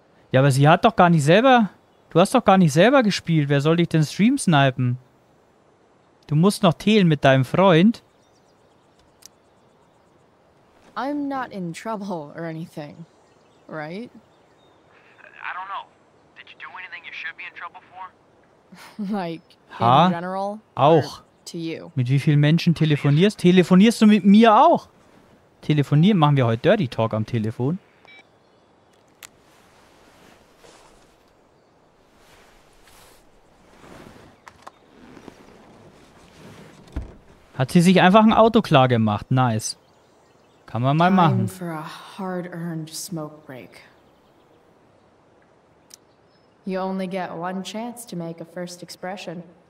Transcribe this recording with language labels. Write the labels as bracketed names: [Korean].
[German] Ja, aber sie hat doch gar nicht selber... Du hast doch gar nicht selber gespielt. Wer soll dich denn Stream-Snipen? Du musst noch teilen mit deinem Freund. [English] I'm not in trouble or anything. Right? I don't know. Did you do anything you should be in trouble for? Like, ha? In general? [German] Auch. [English] To you? [German] Mit wie vielen Menschen telefonierst? Telefonierst du mit mir auch? Telefonieren? Machen wir heute Dirty Talk am Telefon? Hat sie sich einfach ein Auto klar gemacht? Nice. Kann man mal machen. [English] Time for a hard-earned smoke break. You only get one chance to make a first expression.